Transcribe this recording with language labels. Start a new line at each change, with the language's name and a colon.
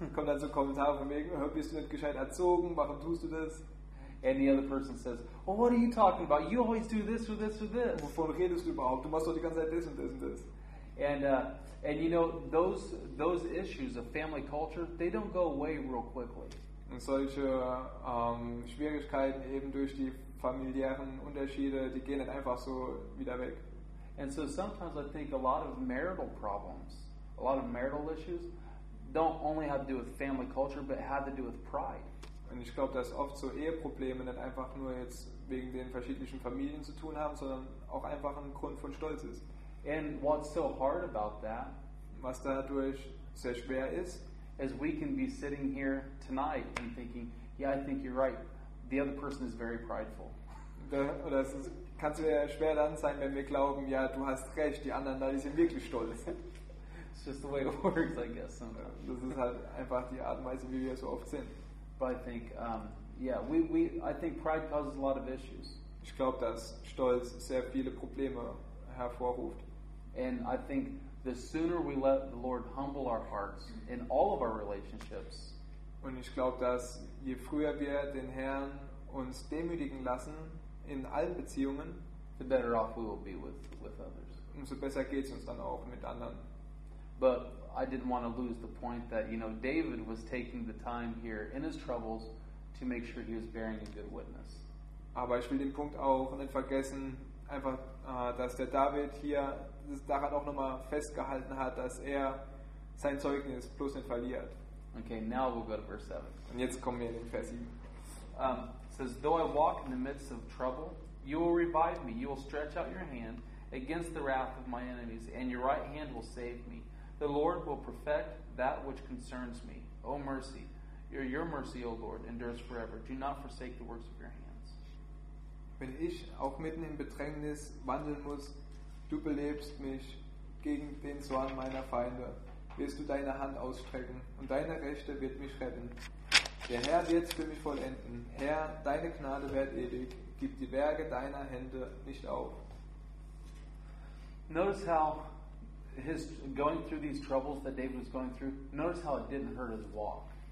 German: Kommt dann so Kommentare von wegen, bist du nicht gescheit erzogen? Warum tust du das?
English: And the other person says, well, what are you talking about? You always do this or this or this.
German: Wovon redest du überhaupt? Du machst doch die ganze Zeit das und das und das.
English: And you know, those issues of family culture, they don't go away real quickly.
German: Und solche Schwierigkeiten eben durch die familiären Unterschiede, die gehen nicht einfach so wieder weg.
English: And so sometimes I think a lot of marital problems, a lot of marital issues, don't only have to do with family culture, but have to do with pride.
German: Und ich glaube, dass oft so Eheprobleme nicht einfach nur jetzt wegen den verschiedenen Familien zu tun haben, sondern auch einfach ein Grund von Stolz ist.
English: And what's so hard about that,
German: was dadurch sehr schwer ist,
English: as we can be sitting here tonight and thinking, yeah, I think you're right. The other person is very prideful.
German: Oder es kann sehr schwer dann sein, wenn wir glauben, ja, du hast recht, die anderen da, die sind wirklich stolz.
English: It's just the way it works, I guess.
German: Das ist halt einfach die Art und Weise, wie wir so oft sind.
English: But I think, I think pride causes a lot of issues.
German: Ich glaube, dass Stolz sehr viele Probleme hervorruft.
English: And I think the sooner we let the Lord humble our hearts in all of our relationships.
German: Und ich glaube, dass je früher wir den Herrn uns demütigen lassen in allen Beziehungen,
English: the better off we will be with others.
German: Umso besser geht's uns dann auch mit anderen.
English: But I didn't want to lose the point that, you know, David was taking the time here in his troubles to make sure he was bearing a good witness.
German: Aber ich will den Punkt auch nicht vergessen, einfach, dass der David hier daran auch nochmal festgehalten hat, dass er sein Zeugnis bloß nicht verliert.
English: Okay, now we'll go to verse 7.
German: Und jetzt kommen wir in den Vers 7.
English: It says, though I walk in the midst of trouble, you will revive me. You will stretch out your hand against the wrath of my enemies, and your right hand will save me. The Lord will perfect that which concerns me. O mercy, your mercy, O Lord, endures forever. Do not forsake the works of your hands.
German: Wenn ich auch mitten in Bedrängnis wandeln muss, du belebst mich gegen den Zorn meiner Feinde, wirst du deine Hand ausstrecken, und deine Rechte wird mich retten. Der Herr wird für mich vollenden. Herr, deine Gnade währt ewig. Gib die Werke deiner Hände nicht auf.
English: Notice how his going through these troubles that David was going through, notice how it didn't hurt his walk.